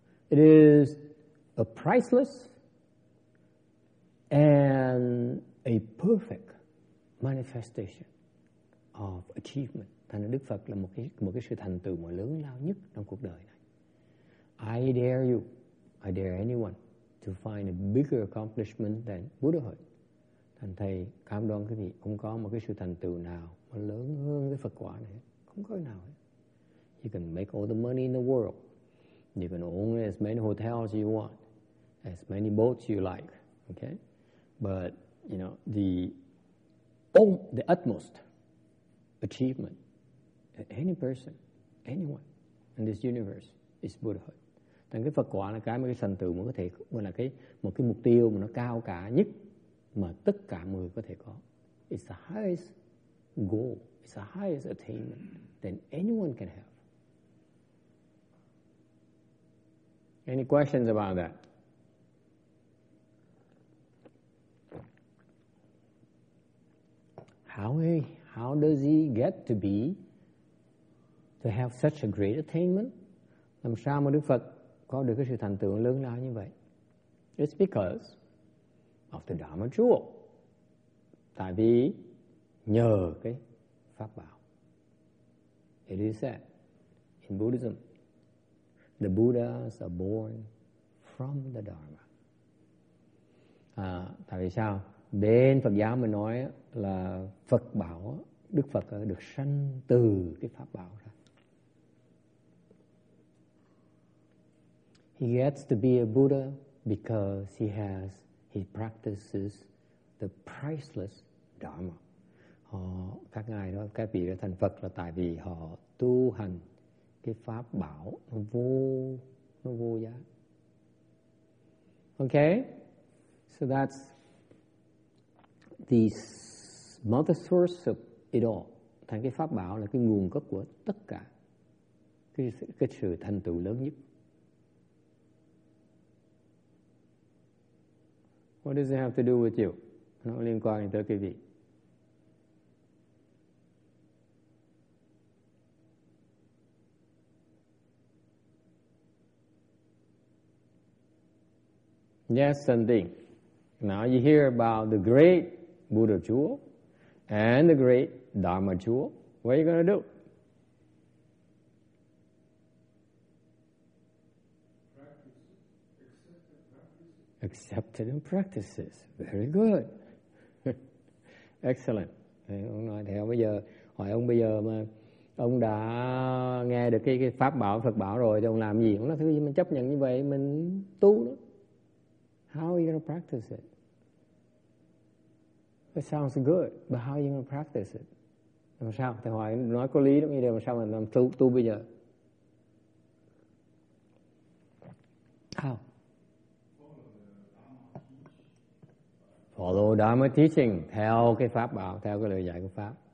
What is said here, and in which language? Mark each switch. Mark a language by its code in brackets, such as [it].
[en] It is a priceless and a perfect manifestation of achievement. [vi] Thành Đức Phật là một cái sự thành tựu lớn lao nhất trong cuộc đời này. [en] I dare you, I dare anyone to find a bigger accomplishment than Buddhahood. [vi] Thành thầy cam đoan quý vị không có một cái sự thành tựu nào mà lớn hơn cái Phật quả này. Không có nào hết. [en] You can make all the money in the world. You can own as many hotels you want, as many boats you like. Okay? But, you know, the utmost achievement that any person, anyone in this universe is Buddhahood. [vi] Thành cái Phật quả là cái mà cái thành tựu mà có thể gọi là một cái mục tiêu mà nó cao cả nhất mà tất cả mọi người có thể có. [en] It's the highest goal, it's the highest attainment that anyone can have. Any questions about that? How does he get to be to have such a great attainment? [vi] Làm sao mà Đức Phật có được cái sự thành tựu lớn lao như vậy? [en] It's because of the Dharma jewel. [vi] Tại vì nhờ cái pháp bảo. [en] It is said in Buddhism, the Buddhas are born from the Dharma. [vi] Tại vì sao? Bên Phật giáo mình nói là Phật bảo, Đức Phật được sanh từ cái pháp bảo ra. [en] He gets to be a Buddha because he practices the priceless Dharma. [vi] Các ngài đó, các vị đó thành Phật là tại vì họ tu hành cái pháp bảo nó vô giá. [en] Okay, so that's the mother source of it all. [vi] Thành cái pháp bảo là cái nguồn gốc của tất cả cái sự thành tựu lớn nhất. [en] What does it have to do with you? [vi] Nó liên quan tới cái gì? [en] Yes, something. Now you hear about the great Buddha jewel and the great Dharma jewel. What are you going to do? Accepted and practices. Very good. Excellent. [vi] Ông nói theo bây giờ, hỏi ông bây giờ mà ông đã nghe được cái pháp bảo Phật bảo rồi thì ông làm gì? Ông nói thứ gì mình chấp nhận như vậy mình tu đó. [en] How are you going to practice it? It sounds good, but how are you going to practice it? [vi] Làm sao? Thầy hỏi nói có lý đúng như vậy, làm sao mà làm tu bây giờ? [en] How? Follow Dharma teaching, [vi] theo cái pháp bảo, theo cái lời dạy của pháp.